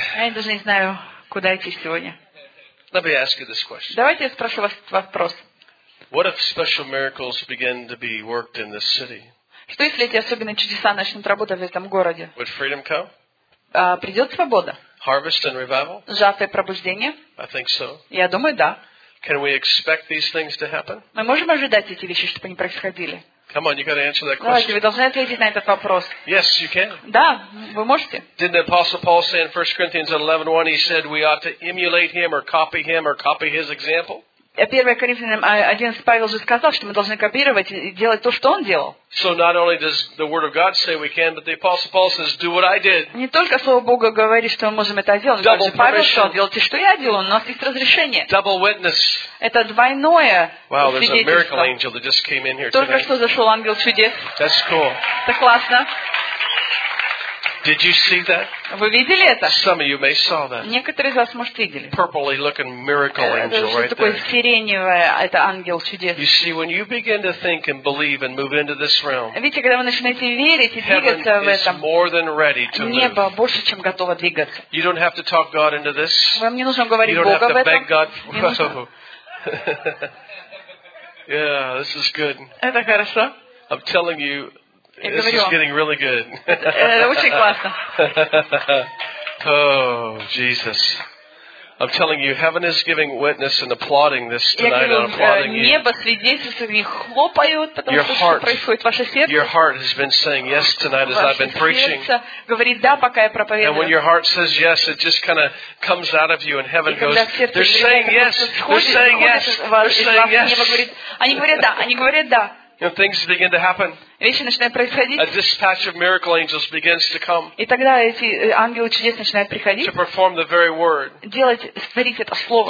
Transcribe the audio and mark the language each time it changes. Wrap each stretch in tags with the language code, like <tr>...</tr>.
<ru>Я даже не знаю, куда идти сегодня.</ru> <en>Let me ask you this question.</en> <ru>Давайте я спрошу вас вопрос.</ru> <en>What if special miracles begin to be worked in this city?</en> <ru>Что если эти особенные чудеса начнут работать в этом городе?</ru> <en>Would freedom come?</en> <ru>Придет свобода?</ru> <en>Harvest and revival?</en> <ru>Жатвы пробуждения?</ru> <en>I think so.</en> <ru>Я думаю, да.</ru> <en>Can we expect these things to happen?</en> <ru>Мы можем ожидать эти вещи, чтобы они происходили?</ru> <en>Come on, you got to answer that question.</en> <ru>Давайте, вы должны ответить на этот вопрос.</ru> <en>Yes, you can.</en> <ru>Да, вы можете.</ru> <en>Didn't the Apostle Paul say in 1 Corinthians 11:1, he said we ought to emulate him or copy him or copy his example?</en> <ru>1 Коринфянам 11 Павел же сказал, что мы должны копировать и делать то, что он делал.</ru> <en>So not only does the word of God say we can, but the Apostle Paul says do what I did.</en> <ru>Не только слово Бога говорит, что мы можем это сделать, но также Павел сказал, делайте, что я делал, у нас есть разрешение.</ru> <en>Double witness.</en> <ru>Это двойное свидетельство.</ru> <en>Wow, there's a miracle angel that just came in here today.</en> <ru>Только что зашел ангел чудес.</ru> <en>That's cool.</en> <ru>Это классно.</ru> <en>Did you see that?</en> <ru>Вы видели это?</ru> <en>Some of you may saw that.</en> <ru>Некоторые из вас, может, видели.</ru> <en>Purpley looking miracle angel right there.</en> <ru>Это такой сиреневый, это ангел чудес.</ru> <en>You see, when you begin to think and believe and move into this realm.</en> <ru>Видите, когда вы начинаете верить и двигаться в этом.</ru> <en>Heaven is more than ready to move.</en> <ru>Небо больше, чем готово двигаться.</ru> <en>You don't have to talk God into this.</en> <ru>Вам не нужно говорить Бога в этом.</ru> <en>You don't have to beg God for Yeah, this is good.</en> <ru>Это хорошо.</ru> <en>I'm telling you, this is getting really good.</en> <ru>Очень классно.</ru> <en>Oh, Jesus. I'm telling you, heaven is giving witness and applauding this tonight. I'm applauding you.</en> <ru>Небо свидетельствует и хлопают, потому что происходит ваше сердце.</ru> <en>Your heart has been saying yes tonight as I've been preaching.</en> <ru>Ваше сердце говорит да, пока я проповедую.</ru> <en>And when your heart says yes, it just kind of comes out of you, and heaven goes, they're saying yes, they're saying yes, they're saying yes.</en> <ru>Они говорят да, они говорят да.</ru> <en>And things begin to happen.</en> <ru>Вещи начинают происходить.</ru> <en>A dispatch of miracle angels begins to come.</en> <ru>И тогда эти ангелы чудес начинают приходить.</ru> <en>To perform the very word.</en> <ru>Делать, творить это слово.</ru>